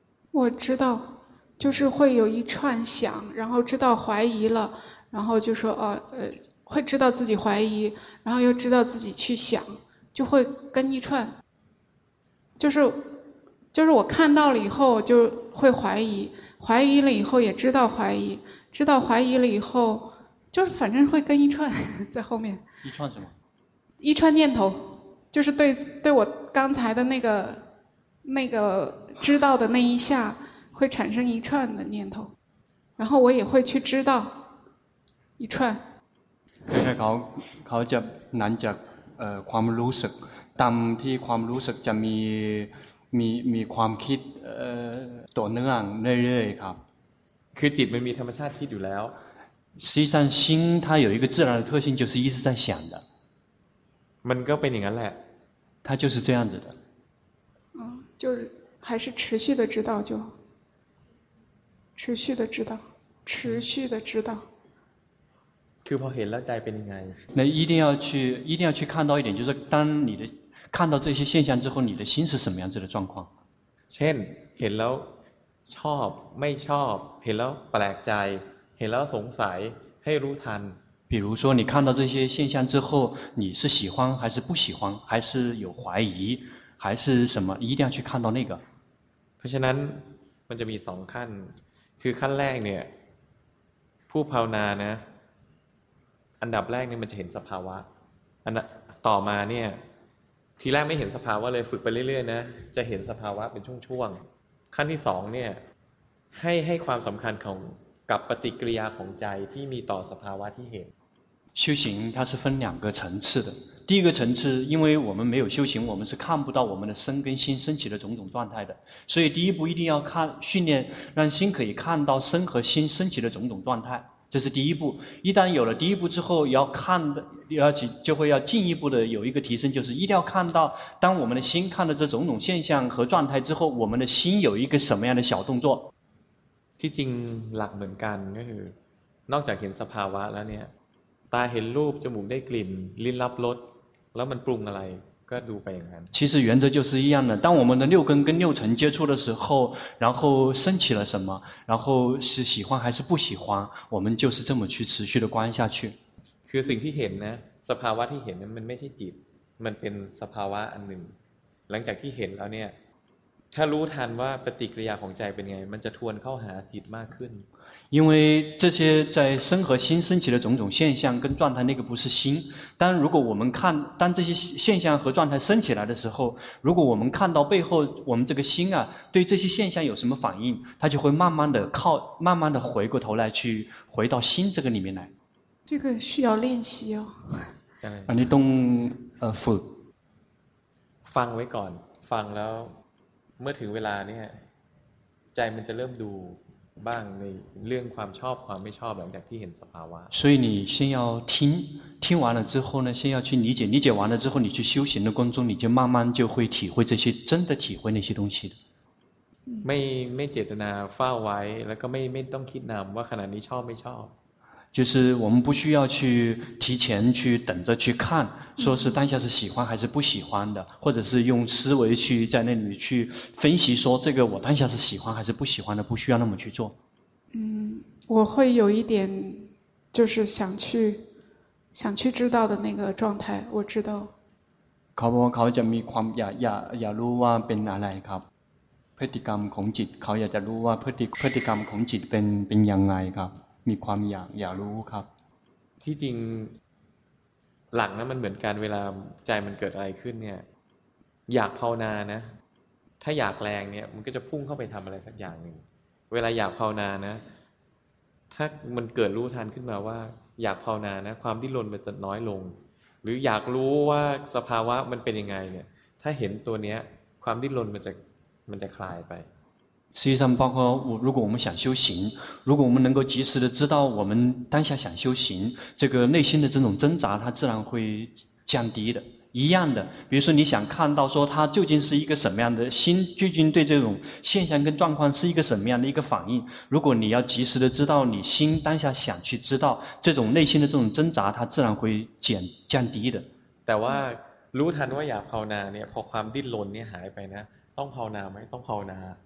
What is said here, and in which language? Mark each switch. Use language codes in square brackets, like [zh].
[zh] 我知道就是会有一串想然后知道怀疑了然后就说会知道自己怀疑然后又知道自己去想就会跟一串就是我看到了以后就会怀疑了以后也知道怀疑了以后就是反正会跟一串在后面一串什么一串念头就是对我刚才的那个知道的那一下会产生一串的念头然后我也会去知道一串 [th] เขาจะนั่งจากความรู้สึกตามที่ความรู้สึกจะมีความคิดต่อเนื่องเรื่อยๆครับ คือจิตมันมีธรรมชาติคิดอยู่แล้ว [zh] 实际上心它有一个自然的特性就是一直在想的 [th] มันก็เป็นอย่างนั้นแหละ [zh] 它就是这样子的就是还是持续的指导就好，持续的指导，持续的指导。 [th] คือพอเห็นแล้วใจเป็นยังไง [zh] 那一定要去看到一点，就是当你的看到这些现象之后，你的心是什么样子的状况？ [th] เช่นเห็นแล้วชอบไม่ชอบเห็นแล้วแปลกใจเห็นแล้วสงสัยให้รู้ทัน [zh] 比如说你看到这些现象之后，你是喜欢还是不喜欢，还是有怀疑，还是什么？一定要去看到那个。 [th] เพราะฉะนั้นมันจะมีสองขั้นคือขั้นแรกเนี่ยผู้ภาวนานะอันดับแรกเนี่ยมันจะเห็นสภาวะอันต่อมาเนี่ยทีแรกไม่เห็นสภาวะเลยฝึกไปเรื่อยๆนะจะเห็นสภาวะเป็นช่วงๆขั้นที่สองเนี่ยให้ความสำคัญของกับปฏิกิริยาของใจที่มีต่อสภาวะที่เห็น [zh] 修行它是分两个层次的第一个层次因为我们没有修行我们是看不到我们的身跟心升起的种种状态的所以第一步一定要看训练让心可以看到身和心升起的种种状态这是第一步一旦有了第一步之后要看要就会要进一步的有一个提升就是一定要看到当我们的心看到这种种现象和状态之后我们的心有一个什么样的小动作 [th] ที่จริงหลักเหมือนกันก็คือนอกจากเห็นสภาวะแล้วเนี่ยตาเห็นรูปจมูกได้กลิ่นลิ้นรับรสแล้วมันปรุงอะไรก็ดูไปอย่างนั้น [zh] 其实原则就是一样的当我们的六根跟六尘接触的时候然后升起了什么然后是喜欢还是不喜欢我们就是这么去持续的观下去 [th] คือสิ่งที่เห็นนะสภาวะที่เห็นนั้นมันไม่ใช่จิตมันเป็นสภาวะอันหนึ่งหลังจากที่เห็นแล้วเนี่ยถ้ารู้ทันว่าปฏิกิริยาของใจเป็นไงมันจะทวนเข้าหาจิตมากขึ้น [zh] 因为这些在身和心升起的种种现象跟状态那个不是心但如果我们看当这些现象和状态升起来的时候如果我们看到背后我们这个心啊对这些现象有什么反应它就会慢慢的靠慢慢的回过头来去回到心这个里面来这个需要练习哦啊你动ฝึก [th] ฟังไว้ก่อนฟังแล้วเมื่อถึงเวลาเนี่ยใจมันจะเริ่มดูบ้างในเรื่องความชอบความไม่ชอบหลังจากที่เห็นสภาวะ [zh] 所以你先要听听完了之后呢先要去理解理解完了之后你去修行的工作你就慢慢就会体会这些真的体会那些东西的 [th] ไม่เจตนาเฝ้าไว้แล้วก็ไม่ต้องคิดนำว่าขณะนี้ชอบไม่ชอบ [zh] 就是我们不需要去提前去等着去看说是当下是喜欢还是不喜欢的或者是用思维去在那里去分析说这个我当下是喜欢还是不喜欢的不需要那么去做嗯，我会有一点就是想去知道的那个状态我知道 [th] ครับผมเขาจะมีความอยากรู้ว่าเป็นอะไรครับพฤติกรรมของจิตเขาอยากจะรู้ว่าพฤติกรรมของจิตเป็นยังไงครับมีความอยากรู้ครับ ที่จริงหลังนั้นมันเหมือนกันเวลาใจมันเกิดอะไรขึ้นเนี่ยอยากภาวนานะถ้าอยากแรงเนี่ยมันก็จะพุ่งเข้าไปทำอะไรสักอย่างหนึ่งเวลาอยากภาวนานะถ้ามันเกิดรู้ทันขึ้นมาว่าอยากภาวนานะความที่ลนมันจะน้อยลงหรืออยากรู้ว่าสภาวะมันเป็นยังไงเนี่ยถ้าเห็นตัวเนี้ยความที่ลนมันจะคลายไป [zh] 实际上包括如果我们想修行如果我们能够及时的知道我们当下想修行这个内心的这种挣扎它自然会降低的一样的比如说你想看到说它究竟是一个什么样的心究竟对这种现象跟状况是一个什么样的一个反应如果你要及时的知道你心当下想去知道这种内心的这种挣扎它自然会降低的 [th] แต่ว่ารู้ทันว่าอยากภาวนาเนี่ยพอความดิ้นรนเนี่ยหายไปนะต้องภาวนาไหมต้องภาวนา